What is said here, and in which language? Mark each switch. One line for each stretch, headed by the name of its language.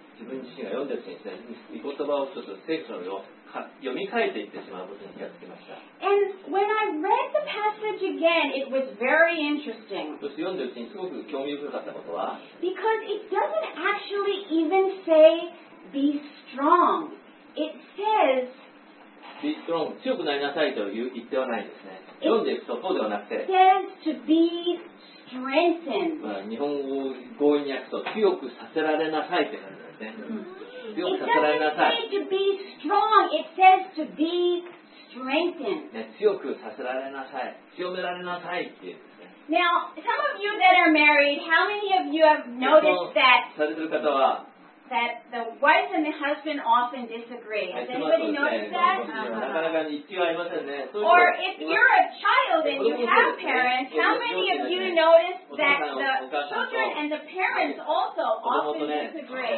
English: And when I read the passage again, it was very interesting. Because it doesn't actually even say be strong. It says be strong,
Japanese: 強くなりなさいという言ってはないですね。読んでいくとそうではなくて、
English: it says to be strengthened.
Japanese: 日本語を強引に訳すと強くさせられなさいって感じですね。
English: It doesn't say to be strong. It says to be strengthened.
Japanese: 強くさせられなさい。強められなさいっていう。
English: Now, some of you that are married, how many of you have noticed that?
Japanese: されてる方は。
English: That the wife and the husband often disagree. Has anybody noticed that? Or if you're a child and you have parents, how many of you noticed that the children and the parents also often disagree?